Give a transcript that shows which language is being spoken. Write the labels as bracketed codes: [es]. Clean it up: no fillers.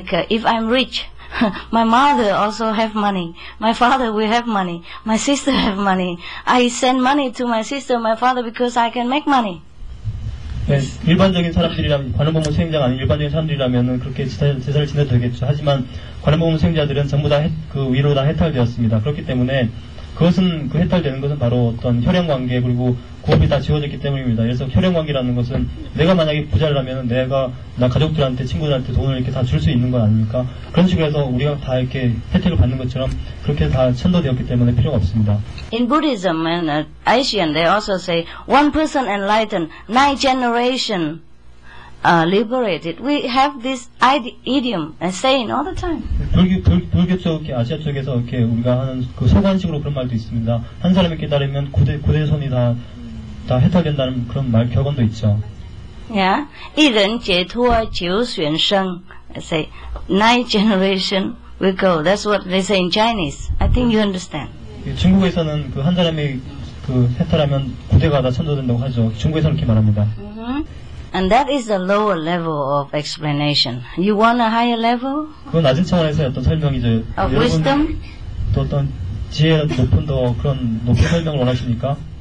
[en] If I'm rich, my mother also have money. My father will have money. My sister have money. I send money to my sister, my father because I can make money. [ko] 네, 일반적인 사람들이라면 관음보문 수행자가 아닌 일반적인 사람들이라면은 그렇게 제사를 지내도 되겠죠. 하지만 관음보문 수행자들은 전부 다 그 위로 다 해탈되었습니다. 그렇기 때문에 그것은 그 해탈되는 것은 바로 어떤 혈연 관계 그리고 구업이 다 지워졌기 때문입니다. 그래서 혈연 관계라는 것은 내가 만약에 부자라면 내가 나 가족들한테 친구들한테 돈을 이렇게 다 줄 수 있는 건 아닙니까? 그런 식으로 해서 우리가 다 이렇게 혜택을 받는 것처럼 그렇게 다 천도되었기 때문에 필요가 없습니다. [en] In Buddhism and Asian, they also say one person enlightened, nine generation liberated. We have this idiom and saying all the time. [ko] 불교 쪽, 아시아 쪽에서 이렇게 우리가 하는 그 소관식으로 그런 말도 있습니다. 한 사람이 깨달으면 구대 손이 다 해탈된다는 그런 말 격언도 있죠. [en] Yeah, [zh] 一人解脱九旬生, [en] say nine generation we go. That's what they say in Chinese. I think you understand. [ko] 중국에서는 그 한 사람이 그 해탈하면 구대가 다 천도된다고 하죠. 중국에서는 이렇게 말합니다. [en] And that is the lower level of explanation. You want a higher level? [ko] 그건 낮은 차원에서의 어떤 설명이죠. [en] Of wisdom? [ko] 또 어떤 지혜 높은 더 그런 높은 설명을 원하십니까?